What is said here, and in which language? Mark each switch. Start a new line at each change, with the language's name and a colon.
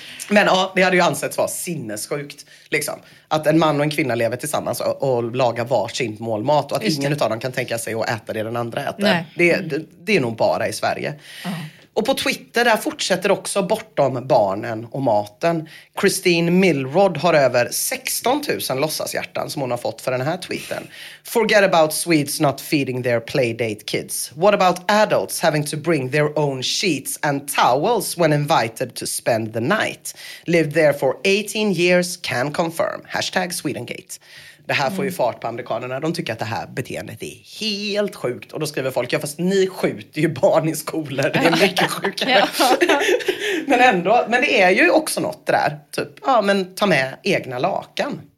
Swedish: Men ja, det hade ju ansetts vara sinnessjukt. Liksom. Att en man och en kvinna lever tillsammans och lagar varsin målmat. Och att ingen av dem kan tänka sig att äta det den andra äter. Det är nog bara i Sverige. Och på Twitter där fortsätter också bortom barnen och maten. Christine Milrod har över 16 000 låtsashjärtan som hon har fått för den här tweeten.
English: Forget about Swedes not feeding their playdate kids. What about adults having to bring their own sheets and towels when invited to spend the night? Lived there for 18 years, can confirm. Hashtag Swedengate.
Swedish: Det här får ju fart på amerikanerna. De tycker att det här beteendet är helt sjukt. Och då skriver folk, ja fast ni skjuter ju barn i skolor. Det är mycket sjukare. Ja. Men ändå, men det är ju också något det där. Typ, ja men ta med egna lakan.